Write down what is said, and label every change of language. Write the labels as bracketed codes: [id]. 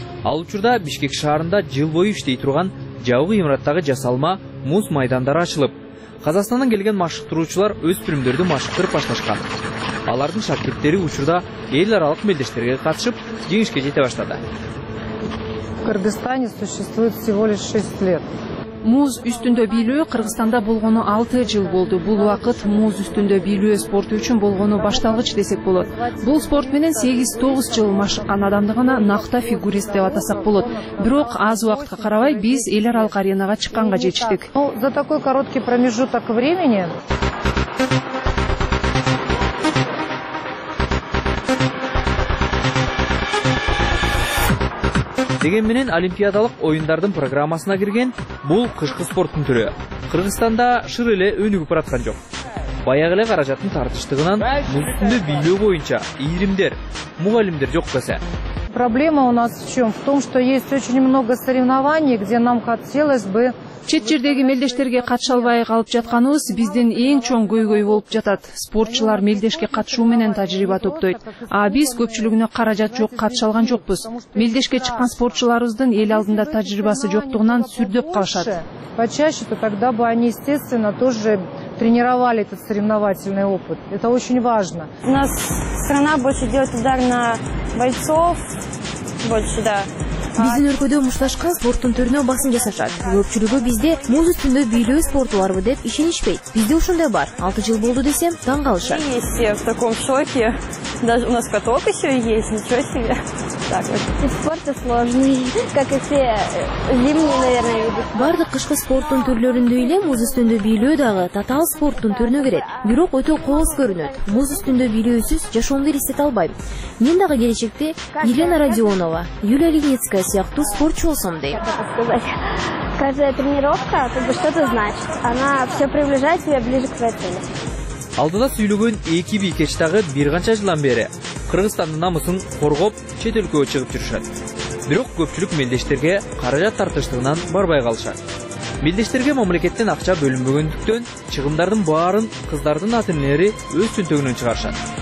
[ky] Ал учурда Бишкек шаарында жыл бою иштей турган жабык имараттагы жасалма муз майдандары ачылып, Казакстандан келген машыктыруучулар өз өспүрүмдөрдү машыктырып башташкан. Алардын шакирттери учурда эл аралык мелдештерге катышып, жеңишке жете баштады. [ru] В Кыргызстане существует всего лишь 6 лет. [ky] Муз үстүндө бийлөө Кыргызстанда болгону 6 жыл болду. Бул убакыт муз үстүндө бийлөө спорту үчүн болгону башталгыч десек болот. Бул спорт менен 8-9 жыл машыккан адамды гана накта фигурист деп атасак болот. Бирок аз убакытка карабай биз эл аралык аренага чыкканга жетиштик. [ru] За такой короткий промежуток времени. [ky] Деген менен олимпиадалык оюндардын программасына кирген бул кышкы спорттун түрү Кыргызстанда шыр эле өнүгүп бараткан жок. Баягы эле каражаттын тартыштыгынан муз үстүндө бийлөө боюнча ийримдер, мугалимдер жок болсо. [ru] Проблема у нас в чем? В том, что есть очень много соревнований, где нам хотелось бы. [ky] Чет жердеги мелдештерге катыша албай калып жатканыбыз биздин эң чоң көйгөй болуп жатат. Спортчулар мелдешке катышуу менен тажрыйба топтойт. А биз көпчүлүгүнө каражат жок, катыша алган жокпуз. Мелдешке чыккан спортчуларыбыздын эл алдында тажрыйбасы жоктугунан сүрдөп калышат. [ru] Почаще, то тогда бы они, естественно, тоже тренировали этот соревновательный опыт. Это очень важно. У нас страна больше делает удар на бойцов, больше, да. [ky] Биздин өлкөдө мушташкан спорттун түрүнө басым жасашат. Көпчүлүгү бизде муз үстүндө бийлөө спорту барбы деп ишенишпейт. Бизде ушундай бар. 6 жыл болду десем таң калышат. [ru] Мы все в таком шоке. Даже у нас каток еще есть, ничего себе. Так вот. Спорт сложный, как и все зимние, наверное, виды. [ky] Бардык кышкы спорттун түрлөрүндө эле муз үстүндө бийлөө дагы татаал спорттун түрүнө кирет. Бирок өтө кооз көрүнөт. Муз үстүндө бийлөөсүз жашоомду элестете албайм. Мен дагы келечекте Елена Родионова, Юлия Леницкая сыяктуу спортчу болсом дейм. [ru] Каждая тренировка как бы что-то значит. Она все приближает тебя ближе к своей цели. [ky] Алдыда сүйлөгөн эки бийкеч дагы бир канча жылдан бери Кыргызстандын намысын коргоп чет өлкөгө чыгып жүрүшөт. Бирок көпчүлүк мелдештерге каражат тартыштыгынан барбай калышат. Мелдештерге мамлекеттен акча бөлүнбөгөндүктөн чыгымдардын баарын кыздардын ата-энелери өз түнтөгүнөн чыгарышат.